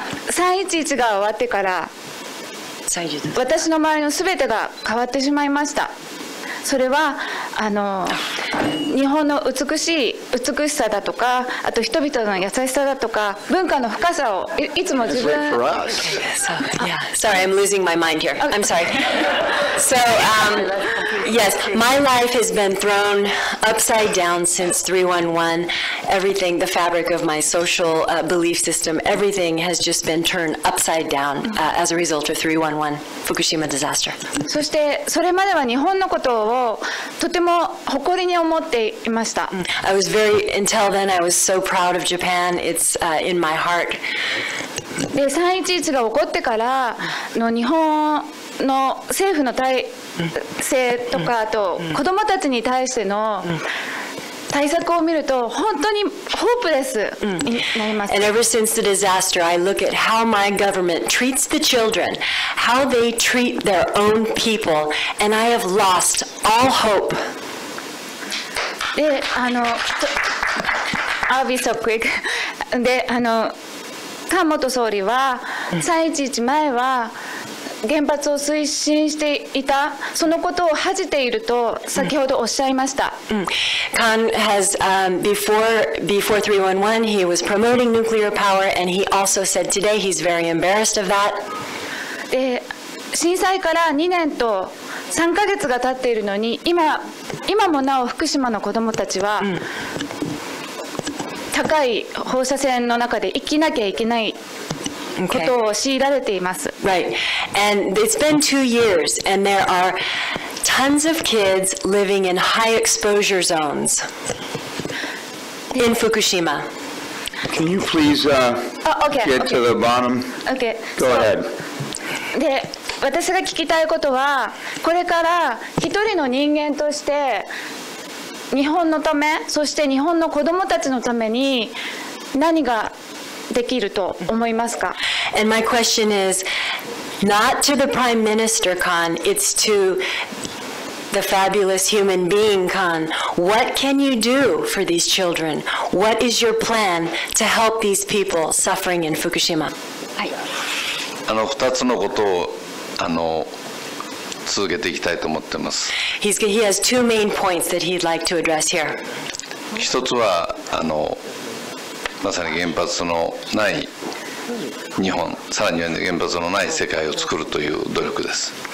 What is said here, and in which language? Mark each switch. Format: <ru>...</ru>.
<ja>3.11 が終わってから、私の周りのすべてが変わってしまいました。それは日本の美しさだとか、あと人々の優しさだとか、文化の深さをいつも自分。</ja> <en>It's late for us. Okay, sorry, I'm losing my mind here. I'm sorry. So, yes, my life has been thrown upside down since 3-1-1. Everything, the fabric of my social belief system, everything has just been turned upside down as a result of 3-1-1 Fukushima disaster.</en> <ja>そしてそれまでは日本のことをとても誇りに思っていました。</ja> <en>I was very, until then, I was so proud of Japan. It's in my heart.</en> <ja>で、3.11 が起こってからの日本の政府の体制とか、あと子どもたちに対しての対策を見ると本当にホープレスになります。</ja> <en>And ever since the disaster, I look at how my government treats the children, how they treat their own people, and I have lost all hope. で、I'll be so quick.</en> <ja>で、菅元総理は311前は原発を推進していた、そのことを恥じていると先ほどおっしゃいました。</ja> <en>Khan has before 311, he was promoting nuclear power, and he also said today he's very embarrassed of that.</en> <ja>で、震災から2年と3ヶ月が経っているのに、今もなお福島の子どもたちは高い放射線の中で生きなきゃいけない。</ja> <en>Okay. Right. And it's been 2 years, and there are tons of kids living in high exposure zones in Fukushima. Can you please get to the bottom? Okay. Go ahead.</en> <ja>で、私が聞きたいことは、これから一人の人間として、日本のため、そして日本の子どもたちのために何が。できると思いますか?</ja> <en>And my question is not to the Prime Minister Khan, it's to the fabulous human being Khan. What can you do for these children? What is your plan to help these people suffering in Fukushima?</en> <ja>はい。 2つのことを続けていきたいと思ってます。</ja> <en>He has two main points that he'd like to address here.</en> <ja>一つはまさに原発のない日本、さらには原発のない世界を作るという努力です。</ja>